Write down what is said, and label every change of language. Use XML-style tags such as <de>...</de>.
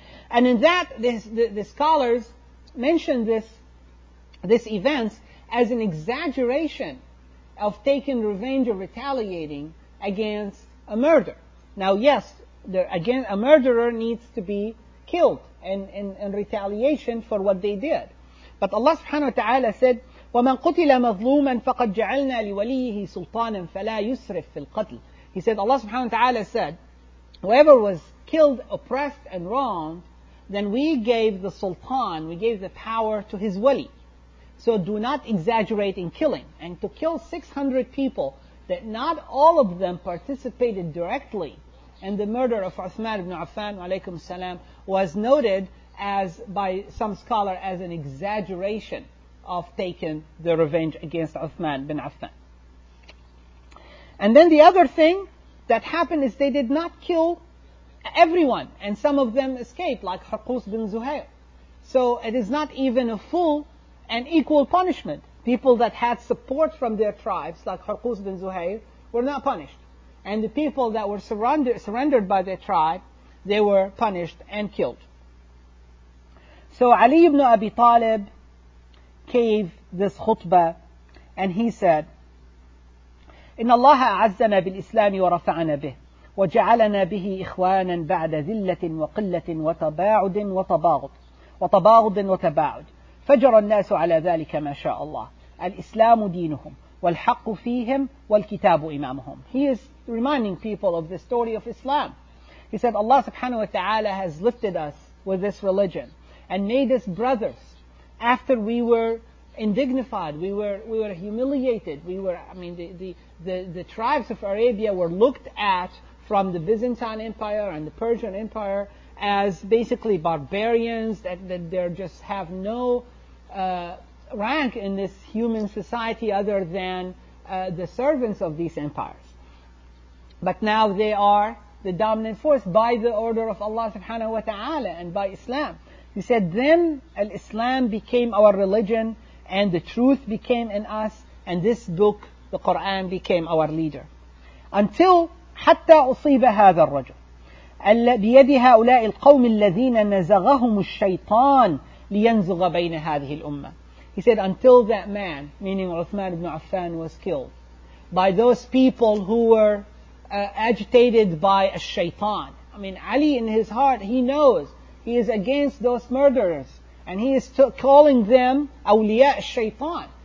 <en>And in that, the scholars mention this event as an exaggeration of taking revenge or retaliating against a murder. Now, yes, a murderer needs to be killed in retaliation for what they did. But Allah subhanahu wa ta'ala said,</en> <ar>وَمَنْ قُتِلَ مَظْلُومًا فَقَدْ جَعَلْنَا لِوَلِيِّهِ سُلْطَانًا فَلَا يُسْرِفْ فِي الْقَتْلِ.</ar> <en>He said, Allah subhanahu wa ta'ala said, whoever was killed, oppressed, and wronged, then we gave the sultan, we gave the power to his wali. So do not exaggerate in killing. And to kill 600 people, that not all of them participated directly in the murder of Uthman ibn Affan, alaykum salam, was noted as by some scholar as an exaggeration of taking the revenge against Uthman ibn Affan. And then the other thing that happened is they did not kill everyone, and some of them escaped, like Hurqus bin Zuhair. So it is not even a full and equal punishment. People that had support from their tribes, like Hurqus bin Zuhair, were not punished. And the people that were surrendered by their tribe, they were punished and killed. So Ali ibn Abi Talib gave this khutbah, and he said,</en> <ar>إِنَّ اللَّهَ أَعَزَّنَا بِالْإِسْلَامِ وَرَفَعَنَا بِهِ وجعلنا به إخوانا بعد ذلة وقلة وتباعد وتباغض وتباغض وتباعد فجر الناس على ذلك ما شاء الله الإسلام دينهم والحق فيهم والكتاب إمامهم.</ar> <en>He is reminding people of the story of Islam. He said, Allah subhanahu wa ta'ala has lifted us with this religion and made us brothers. After we were indignified, we were humiliated, the tribes of Arabia were looked at from the Byzantine Empire and the Persian Empire as basically barbarians, that they just have no rank in this human society other than the servants of these empires. But now they are the dominant force by the order of Allah subhanahu wa ta'ala and by Islam. He said, then al-Islam became our religion and the truth became in us and this book, the Quran, became our leader. Until</en> <ar>حتى أصيب هذا الرجل بيد هؤلاء القوم الذين نزغهم الشيطان لينزغ بين هذه الأمة.</ar> <en>He said, until that man, meaning Uthman ibn Affan, was killed by those people who were agitated by a shaitan. I mean, Ali in his heart, he knows he is against those murderers and he is calling them</en> <ar>awliya al-shaytan.</ar>